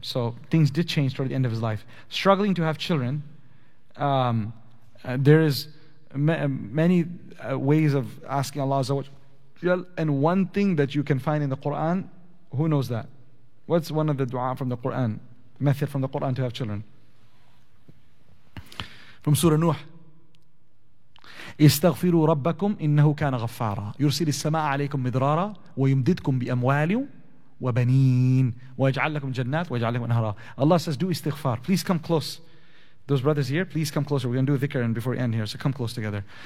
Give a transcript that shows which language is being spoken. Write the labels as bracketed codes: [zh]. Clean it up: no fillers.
[en] So things did change toward the end of his life. Struggling to have children, there is many ways of asking Allah Azza wa Jal. And one thing that you can find in the Quran, who knows that? What's one of the dua from the Quran, method from the Quran to have children? From Surah Nuh. [ar] استغفروا ربكم إنه كان غفارا يرسل السماء عليكم مدرارا ويمددكم بأموال وبنين ويجعل لكم جنات ويجعل لكم أنهارا. [en] Allah says, do istighfar. Please come close. Those brothers here, please come closer. We're going to do dhikr and before we end here, so come close together.